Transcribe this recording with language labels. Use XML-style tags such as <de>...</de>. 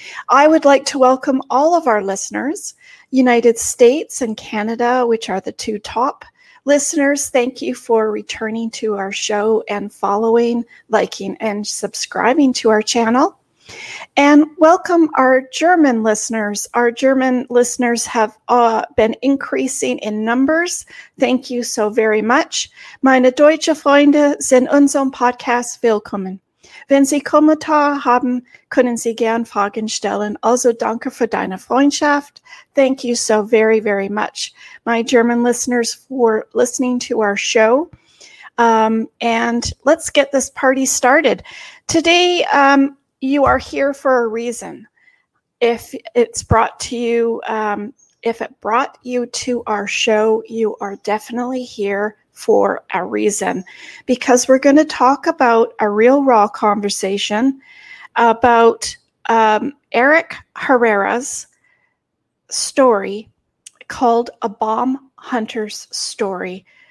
<en>I would like to welcome all of our listeners, United States and Canada, which are the two top listeners. Thank you for returning to our show and following, liking, and subscribing to our channel. And welcome our German listeners. Our German listeners have been increasing in numbers. Thank you so very much.</en> <de>Meine deutsche Freunde sind unserem Podcast willkommen. Wenn Sie Kommentar haben, können Sie gern Fragen stellen. Also danke für deine Freundschaft.</de> <en>Thank you so very, very much, my German listeners, for listening to our show. And let's get this party started. Today, you are here for a reason. If it's brought to you, if it brought you to our show, you are definitely here for a reason, because we're going to talk about a real raw conversation about Eric Herrera's story called A Bomb Hunter's Story.</en>